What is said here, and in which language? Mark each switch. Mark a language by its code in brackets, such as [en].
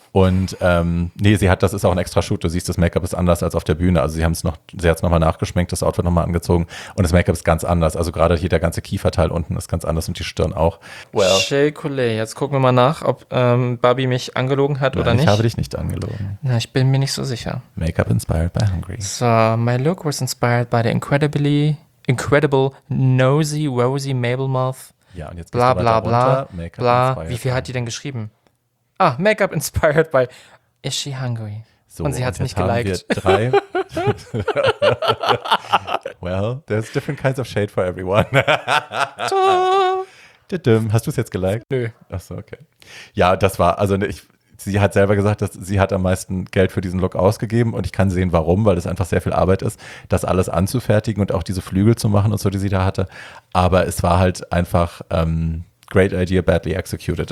[de] Und nee, sie hat, das ist auch ein extra Shoot, du siehst, das Make-up ist anders als auf der Bühne. Also sie haben es noch, sie hat es nochmal nachgeschminkt, das Outfit nochmal angezogen und das Make-up ist ganz anders. Also gerade hier der ganze Kieferteil unten ist ganz anders und die Stirn auch. [en] Well. [de] Shay Coley, jetzt gucken wir mal nach, ob Barbie mich angelogen hat oder nicht. Ich habe dich nicht angelogen. Na, ich bin mir nicht so sicher. [en] Make-up inspired by Hungry. So, my look was inspired by the incredible nosy, rosy Mabel Mouth. [de] Ja, und jetzt geht's bla, bla, runter. Bla, bla, wie viel hat die denn geschrieben? [en] Ah, Make-up inspired by Is She Hungry? [de] So, und sie hat es nicht geliked. Haben wir drei. [en] Well, there's different kinds of shade for everyone. Tudum. [de] Hast du es jetzt geliked? Nö. Ach so, okay. Ja, das war, also ich, sie hat selber gesagt, dass sie hat am meisten Geld für diesen Look ausgegeben und ich kann sehen, warum, weil es einfach sehr viel Arbeit ist, das alles anzufertigen und auch diese Flügel zu machen und so, die sie da hatte. Aber es war halt einfach [en] great idea, badly executed.